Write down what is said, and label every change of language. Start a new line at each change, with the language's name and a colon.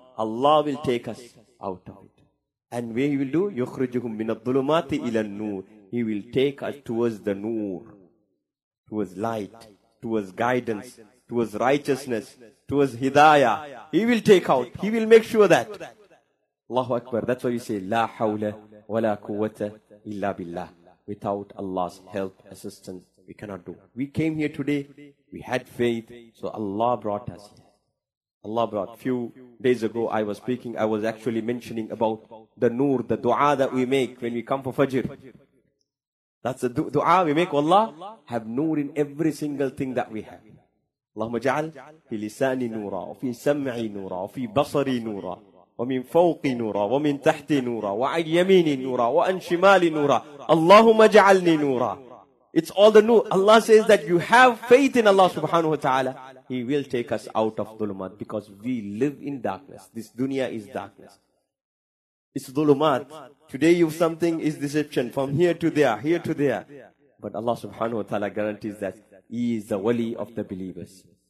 English: Allah will take us out of it. And where he will do?
Arabic: يُخْرِجُهُمْ مِنَ الظُّلُمَاتِ إِلَى النُّورِ.
English: He will take us towards the noor, towards light, towards guidance, towards righteousness, towards hidayah. He will take out. He will make sure that. Allahu Akbar. That's why you say,
Arabic: لَا حَوْلَ وَلَا قُوَّةَ إِلَّا بِاللَّهِ.
English: Without Allah's help, assistance, we cannot do. We came here today. We had faith. So Allah brought us here. Allah brought. Few days ago, I was speaking. I was actually mentioning about the noor, the dua that we make when we come for Fajr. That's the dua we make. Allah have noor in every single thing that we have.
Arabic: اللهم اجعل في لساني نورا وفي سمعي نورا وفي بصري نورا ومن فوقي نورا ومن تحتي نورا وعن يميني نورا وعن شمالي نورا اللهم اجعلني نورا.
English: It's all the noor. Allah says that you have faith in Allah subhanahu wa ta'ala, He will take us out of dhulumat, because we live in darkness. This dunya is darkness. It's dhulumat. Today you have something is deception from here to there, here to there. But Allah subhanahu wa ta'ala guarantees that He is the wali of the believers.